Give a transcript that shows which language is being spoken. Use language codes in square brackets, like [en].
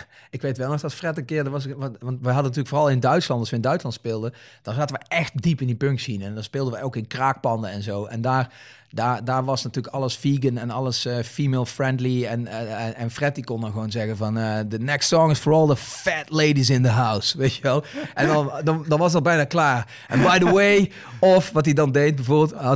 [nl] Ik weet wel nog dat Fred een keer... Want we hadden natuurlijk vooral in Duitsland, als we in Duitsland speelden... dan zaten we echt diep in die punk scene. En dan speelden we ook in kraakpanden en zo. En daar was natuurlijk alles vegan en alles female friendly. En Fred die kon dan gewoon zeggen van... [en] The next song is for all the fat ladies in the house, [nl] weet je wel. En dan was dat bijna klaar. [en] And by the way, [nl] of wat hij dan deed bijvoorbeeld...